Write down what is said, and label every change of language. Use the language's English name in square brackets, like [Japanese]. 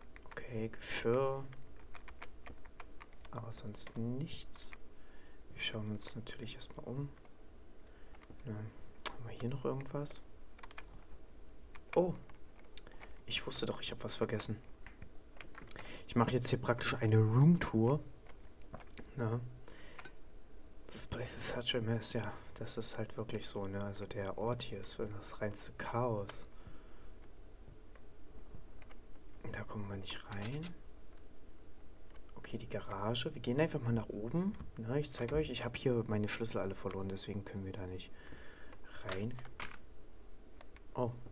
[German] Okay, Geschirr. Aber sonst nichts. Wir schauen uns natürlich erstmal um. Na, haben wir hier noch irgendwas? Oh, ich wusste doch, ich habe was vergessen. Ich mache jetzt hier praktisch eine Roomtour. [English] Na, this place is such a mess. [German] Ja, das ist halt wirklich so. Ne? Also der Ort hier ist das reinste Chaos. Da kommen wir nicht rein. Okay, die Garage. Wir gehen einfach mal nach oben. Na, ich zeige euch. Ich habe hier meine Schlüssel alle verloren, deswegen können wir da nicht rein. Oh.